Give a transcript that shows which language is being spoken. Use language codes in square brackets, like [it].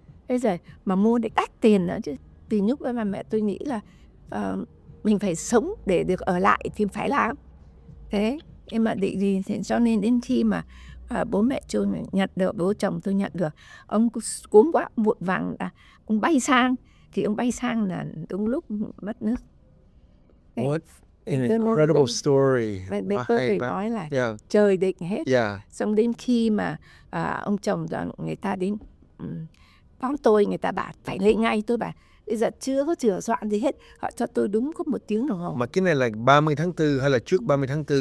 [vi] Bây giờ mà mua để tách tiền nữa chứ. Vì lúc đó mà mẹ tôi nghĩ là mình phải sống để được ở lại thì phải làm. Thế. Nhưng mà định gì thì cho nên đến khi mà bố mẹ tôi nhận được, bố chồng tôi nhận được, ông cuống quá vội vàng ông bay sang, thì ông bay sang là đúng lúc mất nước. [en] What an incredible story. [vi] Mẹ tôi nói là trời định hết. [en] Yeah. [vi] Xong đến khi mà ông chồng người ta đến đón tôi, người ta bảo phải lên ngay, tôi bảo bây giờ chưa có sửa soạn gì hết, họ cho tôi đúng có một tiếng đồng hồ. Mà cái này là 30 tháng 4 hay là trước 30 tháng 4?